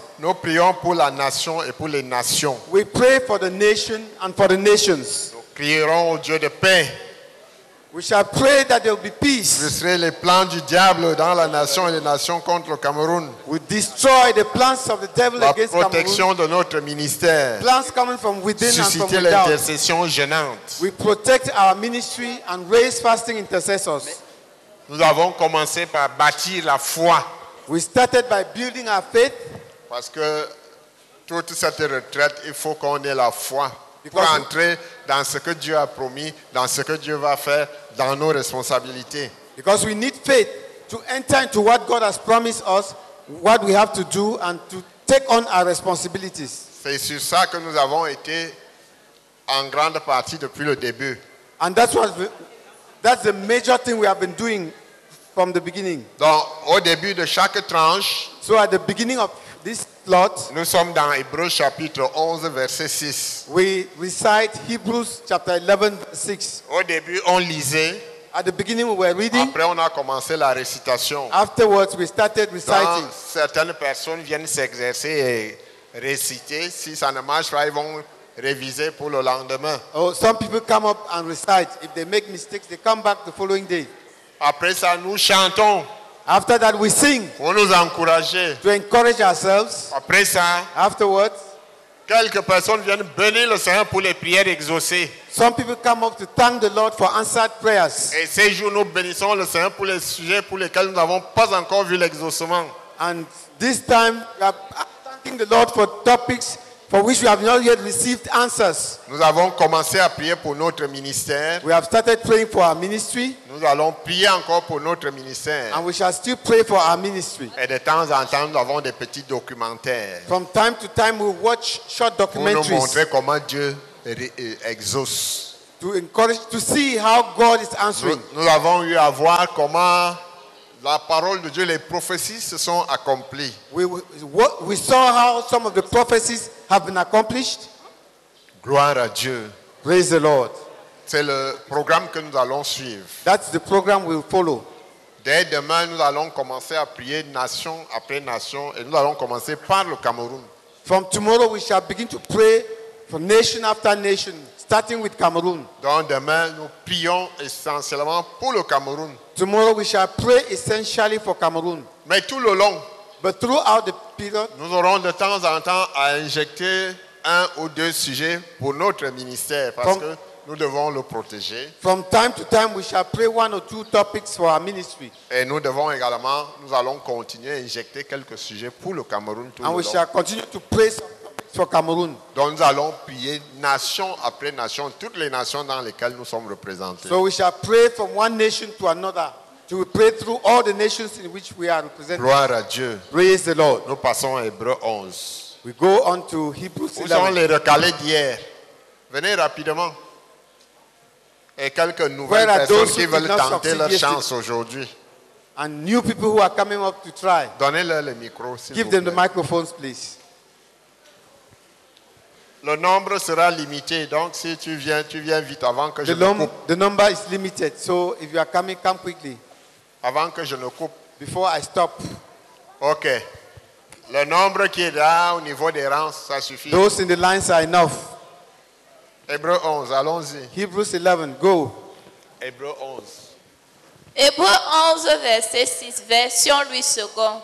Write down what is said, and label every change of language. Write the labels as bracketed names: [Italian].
[French] nous prions pour la nation et pour les nations. [English] We pray for the nation and for the nations. [French] Nous prierons au Dieu de paix. [English] We shall pray that there will be peace. [French] Nous brisons les plans du diable dans la nation et les nations contre le Cameroun. [English] We destroy the plans of the devil against Cameroon. [French] La protection de notre ministère. [English] Plans coming from within and from without. [French] Susciter l'intercession gênante. [English] We protect our ministry and raise fasting intercessors. [French] Nous avons commencé par bâtir la foi. [English] We started by building our faith. [French] Parce que toute cette retraite, il faut qu'on ait la foi. Pour entrer dans ce que Dieu a promis, dans ce que Dieu va faire, dans nos responsabilités. [English] Because we need faith to enter into what God has promised us, what we have to do and to take on our responsibilities. [French] C'est sur ça que nous avons été en grande partie depuis le début. [English] And that's the major thing we have been doing from the beginning. [French] Donc au début de chaque tranche, [English] so at the beginning of this lot, [French] nous sommes dans Hébreux chapitre 11 verset 6. [English] We recite Hebrews chapter 11 verse 6. [French] Au début, on lisait. [English] At the beginning, we were reading. [French] Après, on a commencé la récitation. [English] Afterwards, we started reciting. [French] Donc, certaines personnes viennent s'exercer et réciter. Si ça ne marche pas, ils vont réviser pour le lendemain. [English] Oh, some people come up and recite. If they make mistakes, they come back the following day. [French] Après ça, nous chantons. [English] After that, we sing. [French] Pour nous encourager. [English] To encourage ourselves. [French] Après ça, [English] afterwards, [French] quelques personnes viennent bénir le Seigneur pour les prières exaucées. [English] Some people come up to thank the Lord for answered prayers. [French] Et ces jours, nous bénissons le Seigneur pour les sujets pour lesquels nous n'avons pas encore vu l'exaucement. [English] And this time, we are thanking the Lord for topics for which we have not yet received answers. [French] Nous avons commencé à prier pour notre ministère. [English] We have started praying for our ministry. [French] Nous allons prier encore pour notre ministère. [English] And we shall still pray for our ministry. [French] Et de temps en temps, nous avons des petits documentaires. [English] From time to time, we watch short documentaries. [French] Pour nous montrer comment Dieu exauce. [English] To encourage, to see how God is answering. [French] Nous avons eu à voir comment la parole de Dieu, les prophéties se sont accomplies. [English] We saw how some of the prophecies have been accomplished. [French] Gloire à Dieu. [English] Praise the Lord. [French] C'est le programme que nous allons suivre. [English] That's the program we'll follow. [French] Dès demain, nous allons commencer à prier nation après nation et nous allons commencer par le Cameroun. [English] From tomorrow, we shall begin to pray for nation after nation, starting with Cameroun. [French] Donc demain, nous prions essentiellement pour le Cameroun. [English] Tomorrow, we shall pray essentially for Cameroun. [French] Mais tout le long, [English] but throughout the period, [French] nous aurons de temps en temps à injecter un ou deux sujets pour notre ministère parce que nous devons le protéger. [English] From time to time, we shall pray one or two topics for our ministry. [French] Et nous devons également, nous allons continuer à injecter quelques sujets pour le Cameroun tout [English] and [French] le [English] we [French] long. [English] Shall continue to pray some topics for Cameroon. [French] Donc nous allons prier nation après nation, toutes les nations dans lesquelles nous sommes représentés. [English] So we shall pray from one nation to another. To pray through all the nations in which we are represented. Gloire à Dieu. Praise the Lord. Nous passons à Hébreux 11. We go on to Hebrews 11. [French] Où sont les recalés d'hier? Venez rapidement. Et quelques nouvelles personnes qui veulent tenter leur chance aujourd'hui. [English] And new people who are coming up to try. [French] Donnez-leur le micro, s'il vous plaît. [English] Give them the microphones, please. [French] Le nombre sera limité, donc si tu viens vite avant que [English] The number is limited, so if you are coming, come quickly. [French] Avant que je ne coupe. [English] Before I stop. [French] Ok. Le nombre qui est là au niveau des rangs, ça suffit. [English] Those in the lines are enough. [French] Hébreux 11, allons-y. [English] Hebrews 11, go. [French] Hébreux 11. Hébreux 11, verset 6, version Louis II.